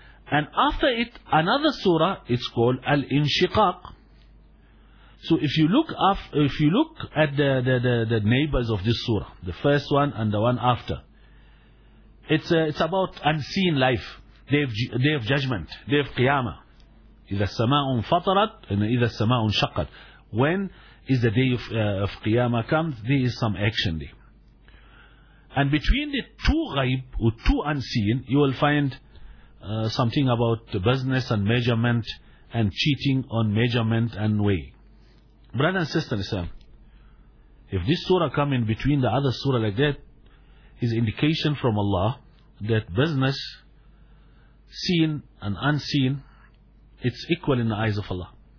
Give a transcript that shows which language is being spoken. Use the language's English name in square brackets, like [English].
[English] And after it, another surah, it's called Al-Inshiqaq. So if you look at the neighbors of this surah, the first one and the one after, it's about unseen life, day of judgment, day of qiyamah. [Arabic] إِذَا السَّمَاءٌ فَطَرَتْ إِذَا السَّمَاءٌ شَقَّتْ. [English] When is the day of Qiyamah comes, there is some action day. And between the two ghaib, or two unseen, you will find something about business and measurement and cheating on measurement and weighing. Brother and sister Islam, if this surah come in between the other surah like that, is indication from Allah that business, seen and unseen, it's equal in the eyes of Allah.